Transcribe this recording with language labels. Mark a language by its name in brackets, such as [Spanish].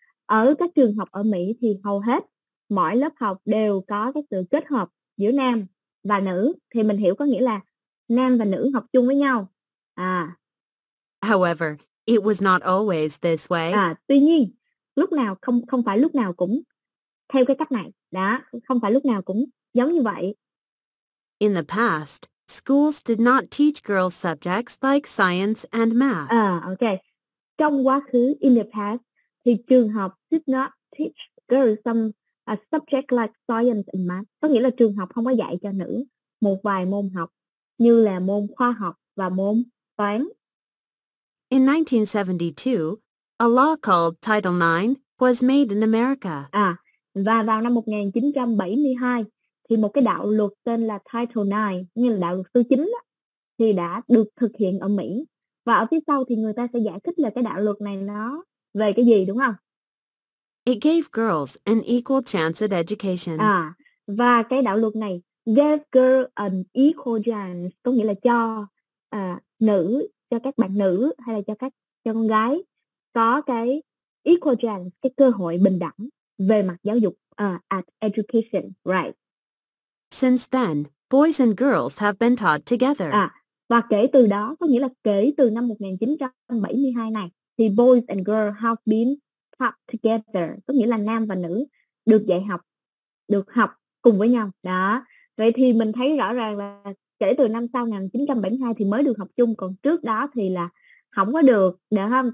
[Vietnamese] Ở các trường học ở Mỹ thì hầu hết mỗi lớp học đều có cái sự kết hợp giữa nam và nữ. Thì mình hiểu có nghĩa là nam và nữ học chung với nhau. À. [English] However, it was not always this way. [Vietnamese] À, tuy nhiên, lúc nào không phải lúc nào cũng theo cái cách này. Đó, không phải lúc nào cũng giống như vậy. [English] In the past, schools did not teach girls subjects like science and math. Okay. [Vietnamese] Trong quá khứ, [English] in the past, [Vietnamese] thì trường học [English] did not teach girls some subject like science and math. [Vietnamese] Có nghĩa là trường học không có dạy cho nữ một vài môn học như là môn khoa học và môn toán. [English] In 1972, a law called Title IX was made in America. [Vietnamese] À, và vào năm 1972 thì một cái đạo luật tên là Title IX, nghĩa là đạo luật số 9 đó, thì đã được thực hiện ở Mỹ. Và ở phía sau thì người ta sẽ giải thích là cái đạo luật này nó về cái gì, đúng không? [English] It gave girls an equal chance at education. [Vietnamese] À, và cái đạo luật này [English] gave girls an equal chance, [Vietnamese] có nghĩa là cho nữ, cho các bạn nữ hay là cho con gái có cái [English] equal chance, [Vietnamese] cái cơ hội bình đẳng về mặt giáo dục, [English] at education, right? Since then, boys and girls have been taught together. [Vietnamese] À, và kể từ đó, có nghĩa là kể từ năm 1972 này, thì [English] boys and girls have been taught together. [Vietnamese] Có nghĩa là nam và nữ được dạy học, được học cùng với nhau. Đó. Vậy thì mình thấy rõ ràng là kể từ năm sau 1972 thì mới được học chung, còn trước đó thì là không có được, được không?